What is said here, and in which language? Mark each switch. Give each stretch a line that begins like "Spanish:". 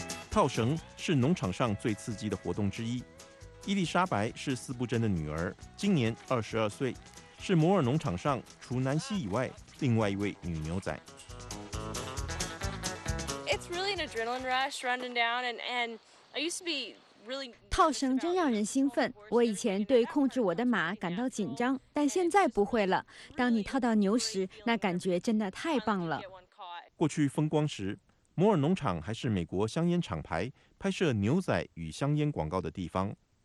Chinese: 套绳是农场上最刺激的活动之一。伊丽莎白是斯布珍的女儿，今年22岁，是摩尔农场上除南希以外另外一位女牛仔。
English: It's really an adrenaline rush running down, and I used to be really.
Chinese: 套绳真让人兴奋。我以前对控制我的马感到紧张，但现在不会了。当你套到牛时，那感觉真的太棒了。过去风光时，摩尔农场还是美国香烟厂牌拍摄牛仔与香烟广告的地方。